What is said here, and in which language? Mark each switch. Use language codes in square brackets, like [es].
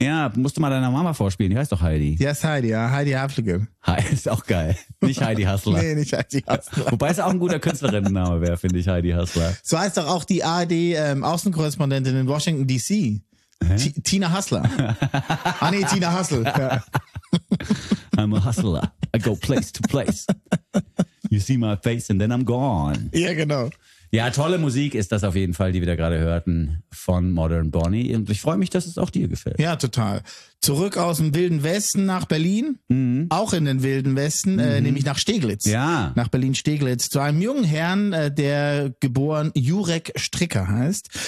[de] Ja, musst du mal deiner Mama vorspielen, die heißt doch Heidi. Die heißt Heidi, ja, Heidi Haflige. Ist auch geil, nicht Heidi Hassler. Nee, nicht Heidi Hassler. Wobei es auch ein guter Künstlerinnenname wäre, finde ich, Heidi Hassler. So heißt doch auch die ARD-Außenkorrespondentin in Washington D.C., Tina Hassler. Ah nee, Tina Hassel. Ja. [en] I'm a hustler, I go place to place. You see my face and then I'm gone. [de] Ja, genau. Ja, tolle Musik ist das auf jeden Fall, die wir da gerade hörten von Modern Bonnie. Und ich freue mich, dass es auch dir gefällt. Ja, total. Zurück aus dem Wilden Westen nach Berlin. Mhm. Auch in den Wilden Westen, nämlich nach Steglitz. Ja. Nach Berlin-Steglitz. Zu einem jungen Herrn, der geboren Jurek Stricker heißt.